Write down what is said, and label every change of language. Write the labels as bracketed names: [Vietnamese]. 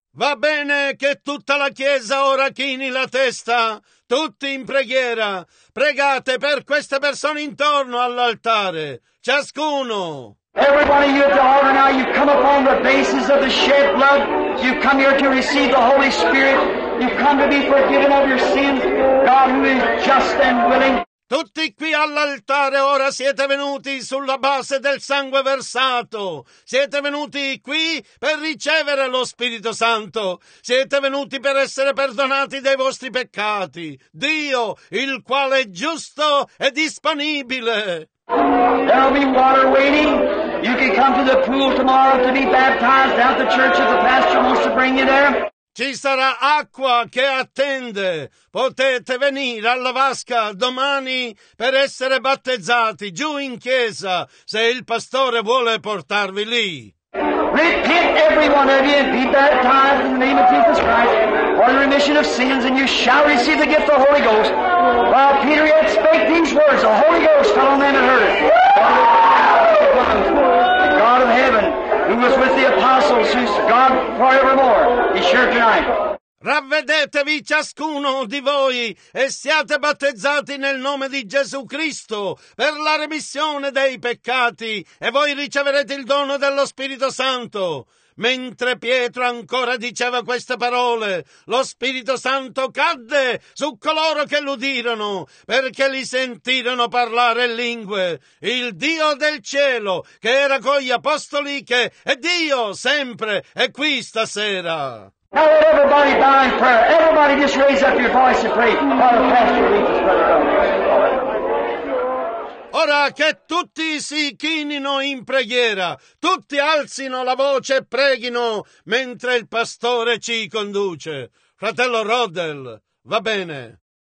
[Italian] va bene che tutta la chiesa ora chini la testa, tutti in preghiera, pregate per queste persone intorno all'altare, ciascuno. [English] Everybody here at the altar now, you've come upon the basis of the shed blood. You've come here to receive the Holy Spirit. You've come to be forgiven of your sins. God, who is just and willing. [Italian] Tutti qui all'altare ora siete venuti sulla base del sangue versato. Siete venuti qui per ricevere lo Spirito Santo. Siete venuti per essere perdonati dei vostri peccati. Dio, il quale è giusto, è disponibile. [English] There'll be water waiting. You can come to the pool tomorrow to be baptized out the church if the pastor wants to bring you there. [Italian] Ci sarà acqua che attende. Potete venire alla vasca domani per essere battezzati giù in chiesa se il pastore vuole portarvi lì. [English] Repent, every one of you, and be baptized in the name of Jesus Christ for the remission of sins, and you shall receive the gift of the Holy Ghost. While Peter yet spake these words, the Holy Ghost fell on them and heard it. The God of heaven, who was with the apostles, who's God forevermore, is here tonight. [Italian] Ravvedetevi ciascuno di voi e siate battezzati nel nome di Gesù Cristo per la remissione dei peccati e voi riceverete il dono dello Spirito Santo. Mentre Pietro ancora diceva queste parole, lo Spirito Santo cadde su coloro che l'udirono, perché li sentirono parlare lingue. Il Dio del cielo, che era con gli apostoli, che è Dio sempre, è qui stasera. [English] Now let everybody bow in prayer. Everybody just raise up your voice and pray. Father, Pastor, [Italian] ora che tutti si chinino in preghiera, tutti alzino la voce e preghino mentre il pastore ci conduce. Fratello Rodel, va bene.